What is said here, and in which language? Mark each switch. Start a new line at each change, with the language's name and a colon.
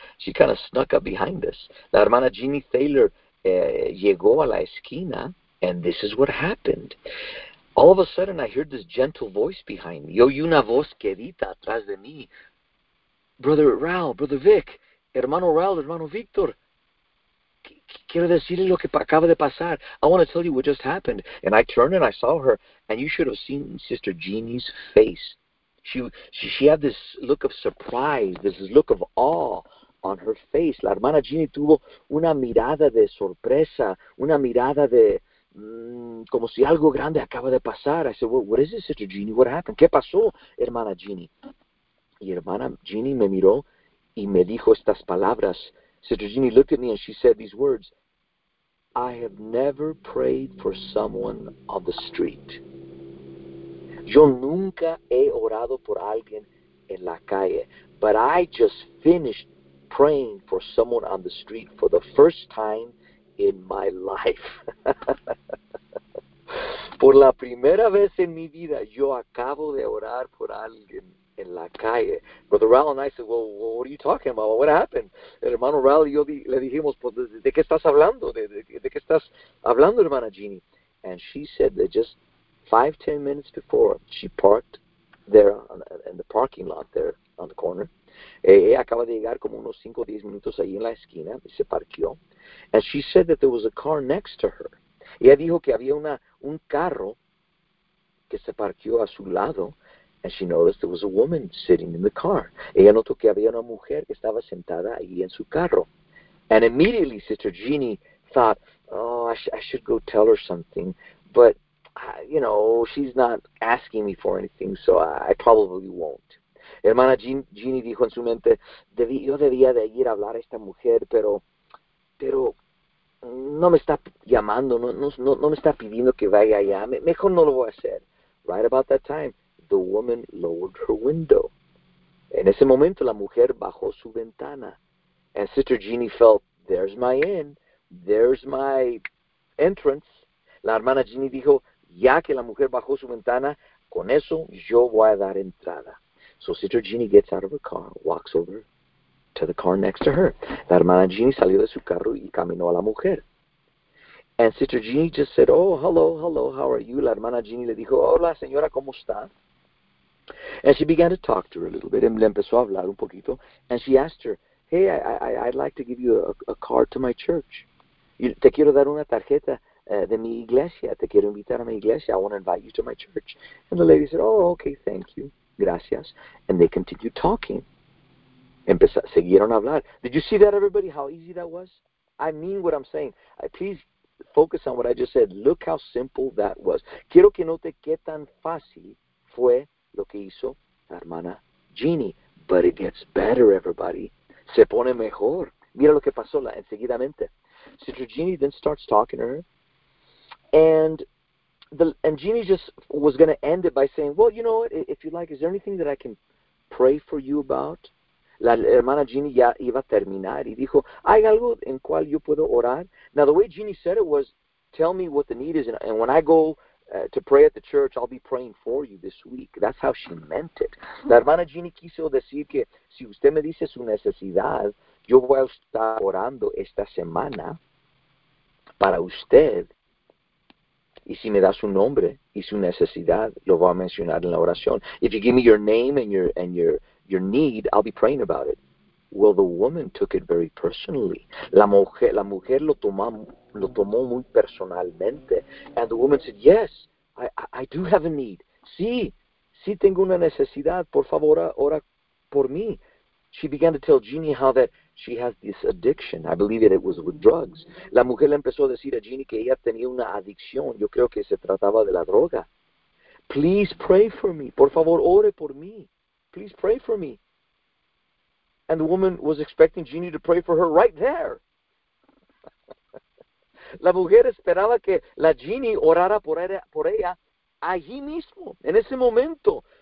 English: She kind of snuck up behind us.
Spanish: La hermana Jeannie Thaler llegó a la esquina,
English: and this is what happened. All of a sudden, I heard this gentle voice behind me.
Spanish: Yo oí una voz quedita atrás de mí. Brother Raul, Brother Vic, hermano Raul, hermano Victor, quiero decirle lo que acaba de pasar.
English: I want to tell you what just happened. And I turned and I saw her. And you should have seen Sister Jeannie's face. She had this look of surprise, this look of awe on her face.
Spanish: La hermana Jeannie tuvo una mirada de sorpresa, una mirada de como si algo grande acaba de pasar.
English: I said, well, what is it, Sister Jeannie? What happened?
Spanish: ¿Qué pasó, hermana Jeannie? Y hermana Jeannie me miró y me dijo estas palabras.
English: Sister Jeannie looked at me and she said these words, I have never prayed for someone on the street.
Spanish: Yo nunca he orado por alguien en la calle,
English: but I just finished praying for someone on the street for the first time in my life.
Spanish: Por la primera vez en mi vida, yo acabo de orar por alguien en la calle.
English: Brother Raul and I said, well, what are you talking about? What happened?
Spanish: El hermano Raul y yo le dijimos, ¿de qué estás hablando? ¿De qué estás hablando, hermana Jeannie?
English: And she said that just 5-10 minutes before, she parked there in the parking lot there on the corner.
Spanish: Ella acaba de llegar como unos 5-10 minutos ahí en la esquina y se parqueó.
English: And she said that there was a car next to her.
Spanish: Ella dijo que había un carro que se parqueó a su lado.
English: And she noticed there was a woman sitting in the car.
Spanish: Ella notó que había una mujer que estaba sentada ahí en su carro.
English: And immediately, Sister Jeannie thought, oh, I should go tell her something. But, you know, she's not asking me for anything, so I probably won't.
Spanish: Hermana Jeannie dijo en su mente, yo debía de ir a hablar a esta mujer, pero no me está llamando, no me está pidiendo que vaya allá. Mejor no lo voy a hacer.
English: Right about that time, the woman lowered her window.
Spanish: En ese momento, la mujer bajó su ventana.
English: And Sister Jeannie felt, there's my in, there's my entrance.
Spanish: La hermana Jeannie dijo, ya que la mujer bajó su ventana, con eso yo voy a dar entrada.
English: So Sister Jeannie gets out of her car, walks over to the car next to her.
Spanish: La hermana Jeannie salió de su carro y caminó a la mujer.
English: And Sister Jeannie just said, oh, hello, hello, how are you?
Spanish: La hermana Jeannie le dijo, hola, señora, ¿cómo está?
English: And she began to talk to her a little bit,
Spanish: le empezó a hablar un poquito,
English: and she asked her, hey, I'd like to give you a card to my church.
Spanish: Te quiero dar una tarjeta de mi iglesia, te quiero invitar a mi iglesia,
English: I want to invite you to my church. And the lady said, oh, okay, thank you, gracias. And they continued talking.
Spanish: Seguieron a hablar.
English: Did you see that, everybody, how easy that was? I mean what I'm saying. Please focus on what I just said. Look how simple that was.
Spanish: Quiero que note qué tan fácil fue lo que hizo esta hermana Jeannie.
English: But it gets better, everybody.
Spanish: Se pone mejor. Mira lo que pasó enseguidamente.
English: Sister Jeannie then starts talking to her. And Jeannie just was going to end it by saying, well, you know what, if you like, is there anything that I can pray for you about?
Spanish: La hermana Jeannie ya iba a terminar y dijo, ¿hay algo en cual yo puedo orar?
English: Now, the way Jeannie said it was, tell me what the need is, and when I go to pray at the church, I'll be praying for you this week. That's how she meant it.
Spanish: La hermana Jeannie quiso decir que si usted me dice su necesidad, yo voy a estar orando esta semana para usted. Y si me da su nombre y su necesidad, lo voy a mencionar en la oración.
English: If you give me your name and your need, I'll be praying about it. Well, the woman took it very personally.
Spanish: La mujer lo tomó muy personalmente.
English: And the woman said, yes, I do have a need.
Spanish: Sí, sí tengo una necesidad. Por favor, ora por mí.
English: She began to tell Jeannie how that she has this addiction. I believe that it was with drugs.
Spanish: La mujer le empezó a decir a Jeannie que ella tenía una adicción. Yo creo que se trataba de la droga.
English: Please pray for me.
Spanish: Por favor, ore por mí.
English: Please pray for me. And the woman was expecting Jeannie to pray for her right there.
Spanish: La mujer esperaba que la Jeannie orara por ella allí mismo, en ese momento.